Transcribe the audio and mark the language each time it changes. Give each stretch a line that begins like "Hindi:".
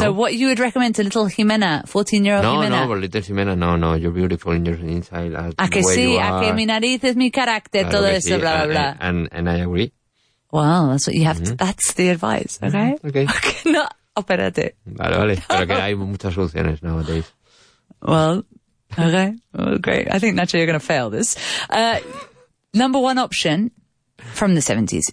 English: So what you would recommend to little Jimena, 14-year-old Jimena? No, but little Jimena, no. You're beautiful in your inside.
Spanish: A que sí, a que mi nariz es mi carácter, claro todo eso, sí.
English: Blah, blah, blah. And I agree. Well, that's what you have to, that's the advice, okay? Mm-hmm. Okay. No, operate.
Spanish: Vale. No. Pero que hay muchas soluciones nowadays.
English: Well... Okay, well, great. I think, Nacho, you're going to fail this. Number one option from the 70s.